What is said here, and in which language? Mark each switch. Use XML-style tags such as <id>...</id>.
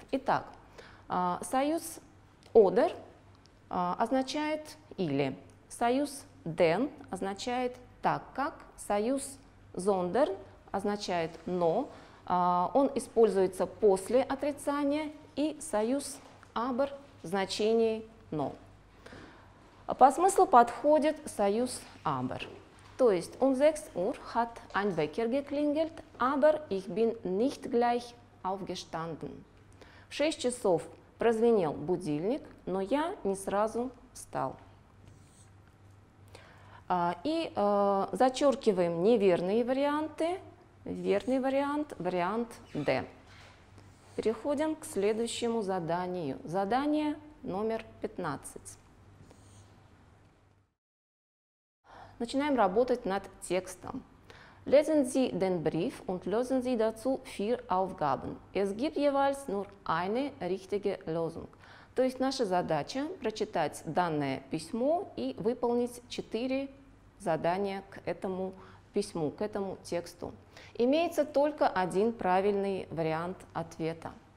<ru>Итак, союз oder означает или, союз den означает так как, союз sondern означает но, он используется после отрицания, и союз aber в значении но. По смыслу подходит союз aber. То есть</ru> <de>um 6 Uhr hat ein Wecker geklingelt, aber ich bin nicht gleich aufgestanden.</de> <ru>В 6 часов прозвенел будильник, но я не сразу встал. И зачеркиваем неверные варианты. Верный вариант – вариант D. Переходим к следующему заданию. Задание номер 15. Начинаем работать над текстом.</ru> <de>Lesen Sie den Brief und lösen Sie dazu 4 Aufgaben. Es gibt jeweils nur eine richtige Lösung.</de> <ru>То есть наша задача – прочитать данное письмо и выполнить 4 задания к этому письму, к этому тексту. Имеется только один правильный вариант ответа.</ru>